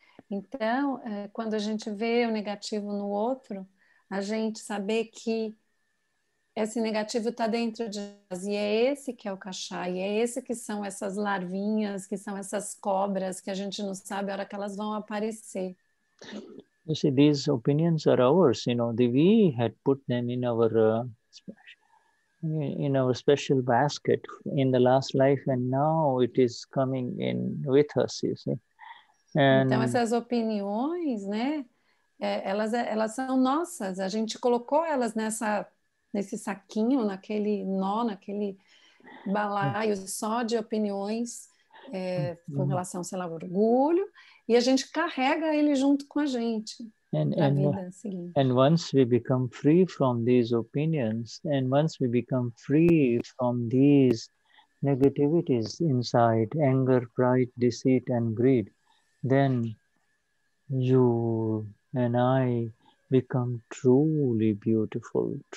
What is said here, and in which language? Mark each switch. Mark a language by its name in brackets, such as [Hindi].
[Portuguese] Então, quando a gente vê o negativo no outro, a gente saber que esse negativo está dentro de nós, e é esse que é o cachai, é esse que são essas larvinhas, que são essas cobras, que a gente não sabe a hora que elas vão aparecer. [English] You see, these opinions are ours, you know, we had put them in our special basket in the last life, and now it is coming in with us, you see. [Portuguese] Então, essas opiniões, né, elas são nossas, a gente colocou elas nesse saquinho, naquele nó, naquele balaio só de opiniões com relação, sei lá, orgulho, e a gente carrega ele junto com a gente na vida seguinte. [English] And once we become free from these opinions, and once we become free from these negativities inside, anger, pride, deceit, and greed, then you and I become truly beautiful.